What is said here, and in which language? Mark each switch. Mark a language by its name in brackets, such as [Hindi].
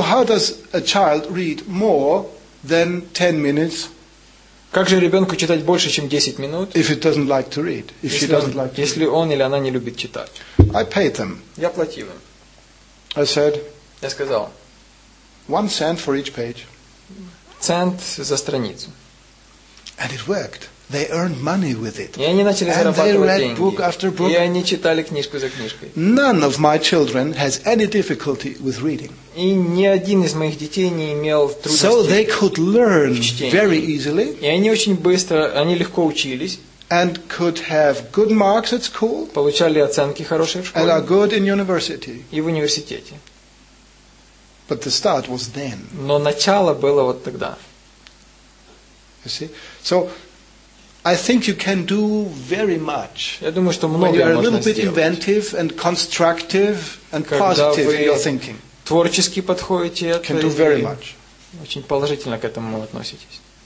[English] So how does a child read more than 10 minutes? [Russian] Как же ребенку читать больше, чем 10 минут? [English] If he doesn't like to read, if she doesn't like to read. [Russian] Если он или она не любит читать. [English] I paid them. [Russian] Я платил им. [English] I said. [Russian] Я сказал. [English] One cent for each page. [Russian] Цент за страницу. [English] And it worked. They earned money with it. [Russian] И они начали зарабатывать деньги. [English] And they read book after book. [Russian] И они читали книжку за книжкой. [English] None of my children has any difficulty with reading. [Russian] И ни один из моих детей не имел трудностей. [English] So they could learn very easily. [Russian] И они очень быстро, они легко учились. [English] And could have good marks at school. [Russian] Получали оценки хорошие в школе. [English] And are good in university. [Russian] И в университете. [English] But the start was then. [Russian] Но начало было вот тогда. [English] You see? So I think you can do very much. [Russian] Я думаю, что многое можно сделать. [English] When you are a little bit inventive and constructive and positive in your thinking. [Russian] Когда вы творчески подходите, это [English] can do very much. [Russian] Очень положительно к этому относитесь.